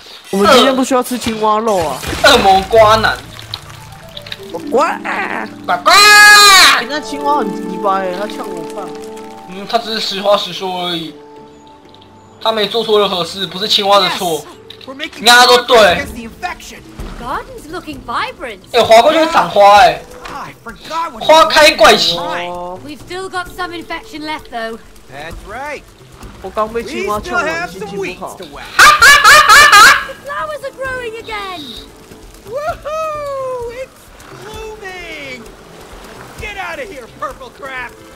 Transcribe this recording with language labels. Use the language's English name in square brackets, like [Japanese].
[Chinese] 我们今天不需要吃青蛙肉啊！恶魔瓜男，呱呱呱呱！那青蛙很鸡掰欸，他呛我饭。嗯，他只是实话实说而已，他没做错任何事，不是青蛙的错。 Yes! 你看他都对。 [English] Garden's looking vibrant. [Chinese] 哎，滑过去会长花哎。花开怪奇。 [English] We've still got some infection left, though. That's right. [Chinese] 我刚被青蛙呛了，心情不好。 [English] The flowers are growing again. Woohoo! It's blooming. Get out of here, purple crap.